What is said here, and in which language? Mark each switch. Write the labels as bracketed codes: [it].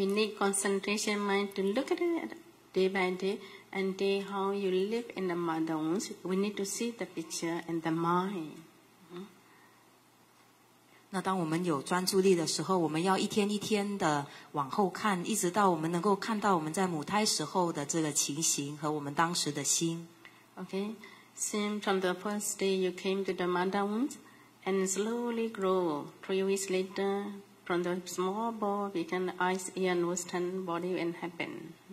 [en] need concentration mind to look at it day by day and day how you live in the mother wounds. We need to see the picture and the mind. [zh] 那当我们有专注力的时候，我们要一天一天的往后看，一直到我们能够看到我们在母胎时候的这个情形和我们当时的心。 [en] Okay, same from the first day you came to the mother wounds and slowly grow. 3 weeks later, from the small ball, become eyes, ear, nose, tongue, body, and happen.